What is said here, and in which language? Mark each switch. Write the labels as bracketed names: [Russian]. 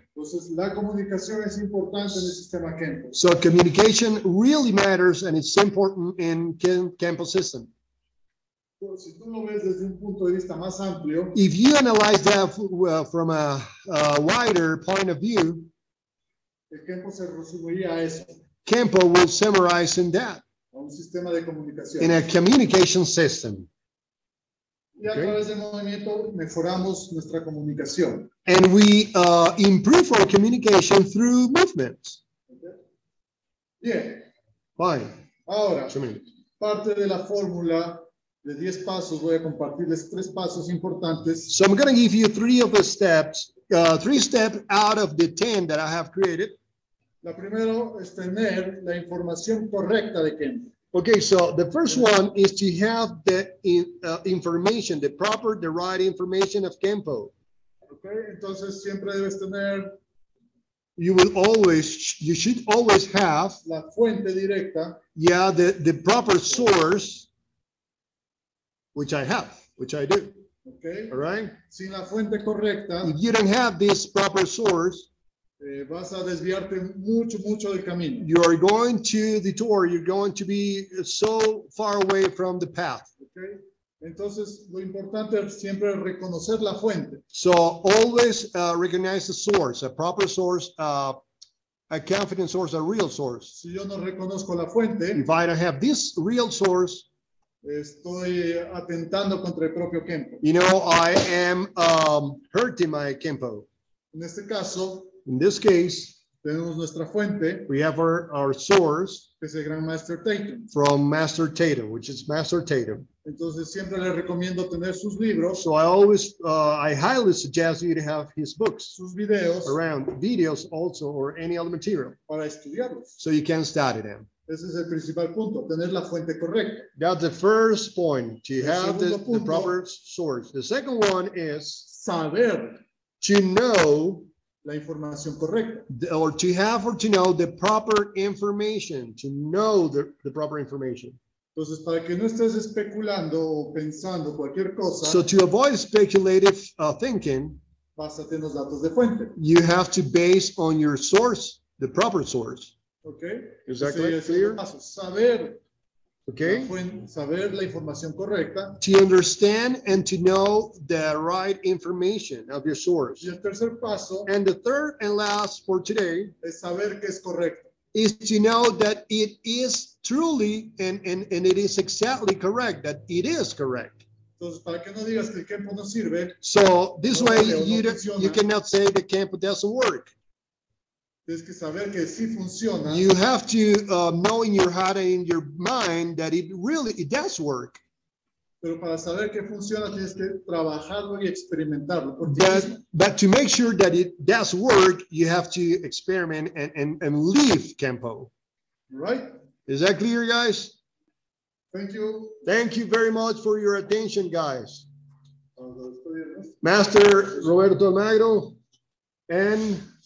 [Spanish] Entonces, la comunicación es importante en el sistema Kempo. [English] So communication really matters and it's important in Kempo system. [Spanish] Si tú lo ves desde un punto de vista más amplio, [English] if you analyze that from a wider point of view, [Spanish] el Kempo se resumiría a eso. [English] Kempo will summarize in that. [Spanish] Un sistema de comunicación. [English] In a communication system. [Spanish] Y a okay. Través del movimiento mejoramos nuestra comunicación. [English] And we improve our communication through movements. Okay. Yeah. Fine. [Spanish] Ahora, parte de la fórmula de 10 pasos, voy a compartirles 3 pasos importantes. [English] So I'm going to give you 3 of the steps, 3 steps out of the 10 that I have created. [Spanish] La primero es tener la información correcta de Kempo. [English] Okay, so the first one is to have the information, the proper, the right information of Kenpo. [Spanish] Okay, entonces siempre debes tener. [English] You should always have. [Spanish] La fuente directa. [English] Yeah, the proper source, which I have, which I do. Okay. All right. [Spanish] Sin la fuente correcta. [English] If you don't have this proper source. [Spanish] Vas a desviarte mucho, mucho del camino. [English] You are going to detour. You're going to be so far away from the path. Okay. [Spanish] Entonces, lo importante es siempre reconocer la fuente. [English] So, always recognize the source, a proper source, a confident source, a real source. [Spanish] Si yo no reconozco la fuente. [English] If I don't have this real source. [Spanish] Estoy atentando contra el propio Kenpo. [English] You know, I am hurting my Kenpo. [Spanish] En este caso. [English] In this case, [Spanish] tenemos nuestra fuente, [English] we have our source, [Spanish] que es el gran Master Tatum. [English] From Master Tatum, which is Master Tatum. [Spanish] Entonces, siempre le recomiendo tener sus libros, [English] so I always, I highly suggest you to have his books, [Spanish] sus videos, [English] around, videos also, or any other material, [Spanish] para estudiarlos. [English] So you can study them. [Spanish] Ese es el principal punto, tener la fuente correcta. [English] That's the first point, to have the proper source. The second one is [Spanish] saber, [English] to know. [Spanish] La información correcta. [English] Or to have or to know the proper information, to know the proper information. [Spanish] Entonces, para que no estés especulando o pensando cualquier cosa. [English] So to avoid speculative thinking, [Spanish] básate en los datos de fuente. [English] You have to base on your source, the proper source. Okay. Is that clear? [Spanish] Saber. [English] Okay. [Spanish] Saber la información correcta. [English] To understand and to know the right information of your source. [Spanish] Y el tercer paso, [English] and the third and last for today [Spanish] es saber que es correcto. [English] Is to know that it is truly and it is exactly correct, that it is correct. [Spanish] Entonces, para que no digas que el campo no sirve, [English] so this way you cannot say the campo doesn't work. [Spanish] Tienes que saber que sí funciona. [English] You have to know in your heart and in your mind that it does work. [Spanish] Pero para saber que funciona, tienes que trabajarlo y experimentarlo. [English] But to make sure that it does work, you have to experiment and leave Kenpo. Right. Is that clear, guys? Thank you. Thank you very much for your attention, guys. Master Roberto Almagro and...